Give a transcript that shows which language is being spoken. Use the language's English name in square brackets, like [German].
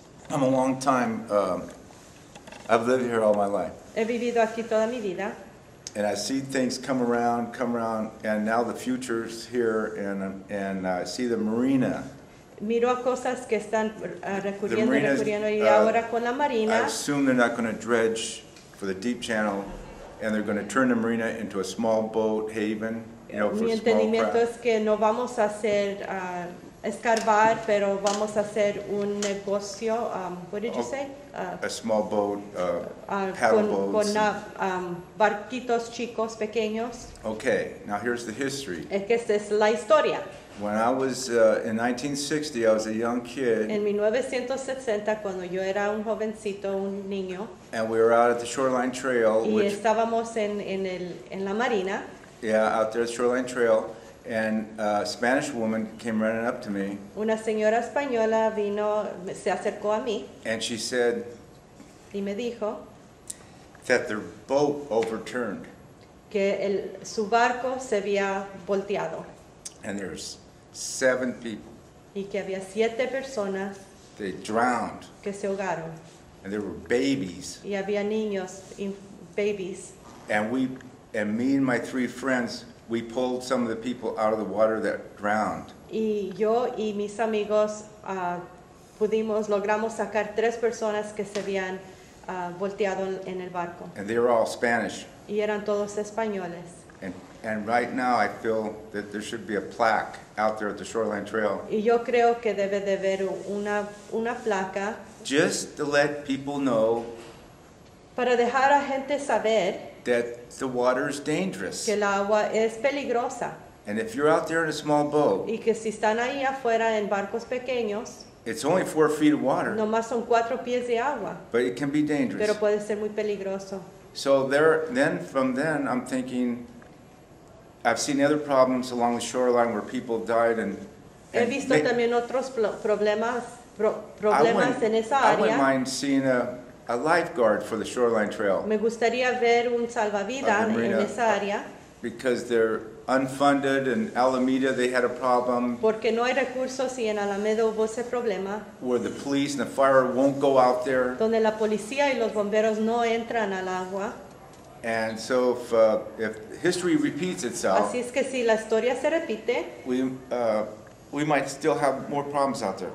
[English] I'm a long time, I've lived here all my life. [Spanish] He vivido aquí toda mi vida. [English] And I see things come around, and now the future's here, and I see the marina. [Spanish] Miro a cosas que están recurriendo, y ahora con la marina. [English] I assume they're not going to dredge for the deep channel, and they're going to turn the marina into a small boat haven, you know, for small [Spanish] craft. Mi entendimiento es que no vamos a hacer... escarbar, pero vamos a hacer un negocio, [English] what did you say? A small boat, paddle [Spanish] con, [English] boats. [Spanish] Con barquitos chicos, pequeños. [English] Okay, now here's the history. [Spanish] Es que esta es la historia. [English] When I was in 1960, I was a young kid. [Spanish] En 1960, cuando yo era un jovencito, un niño. [English] And we were out at the Shoreline Trail. [Spanish] Y [English] which, [Spanish] estábamos en la marina. [English] Yeah, out there at the Shoreline Trail. And a Spanish woman came running up to me. [Spanish] Una señora española vino, se acercó a mí. [English] And she said, [Spanish] y me dijo, [English] that their boat overturned. [Spanish] Que el, su barco se había volteado. [English] And there's seven people. [Spanish] Y que había siete personas. [English] They drowned. [Spanish] Que se ahogaron. [English] And there were babies. [Spanish] Y había niños, babies. [English] And me and my three friends, we pulled some of the people out of the water that drowned. [Spanish] Y yo y mis amigos pudimos logramos sacar tres personas que se habían volteado en el barco. [English] And they were all Spanish. [Spanish] Y eran todos españoles. [English] And right now I feel that there should be a plaque out there at the Shoreline Trail. [Spanish] Y yo creo que debe de haber una placa. [English] Just to let people know. [Spanish] Para dejar a gente saber. [English] That the water is dangerous. [Spanish] Que el agua es peligrosa. [English] And if you're out there in a small boat, [Spanish] y que si están ahí afuera en barcos pequeños, [English] it's only 4 feet of water. [Spanish] Nomás son 4 pies de agua. [English] But it can be dangerous. [Spanish] Pero puede ser muy peligroso. [English] So there, then from then, I'm thinking, I've seen other problems along the shoreline where people died and. [Spanish] He visto también otros problemas en esa área. [English] I wouldn't mind seeing a lifeguard for the Shoreline Trail. [Spanish] Me gustaría ver un salvavidas en esa área. [English] Because they're unfunded, and Alameda they had a problem. [Spanish] Porque no hay recursos y en Alameda hubo ese problema. [English] Where the police and the fire won't go out there. [Spanish] Donde la policía y los bomberos no entran al agua. [English] And so if history repeats itself. [Spanish] Así es que si la historia se repite. [English] We might still have more problems out there.